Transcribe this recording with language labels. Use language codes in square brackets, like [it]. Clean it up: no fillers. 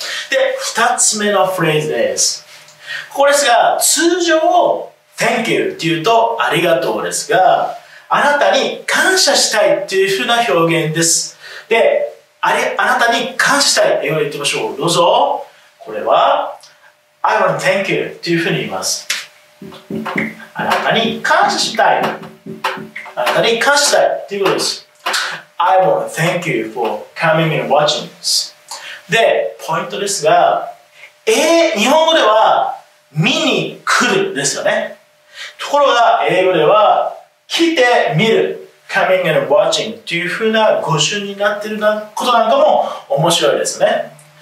[ja] で、二つ目のフレーズです。ここですが、通常、Thank you って言うとありがとうですが、あなたに感謝したいというふうな表現です。で、あなたに感謝したい。英語で言ってみましょう。どうぞ。これは、 [en] I want to thank you [ja] というふうに言います。あなたに感謝したい。あなたに感謝したいということです。 [en] I want to thank you for coming and watching this. [ja] で、ポイントですが、日本語では見に来るですよね。ところが、英語では来て見る、 [en] coming and watching [ja] というふうな語順になっていることなんかも面白いですよね。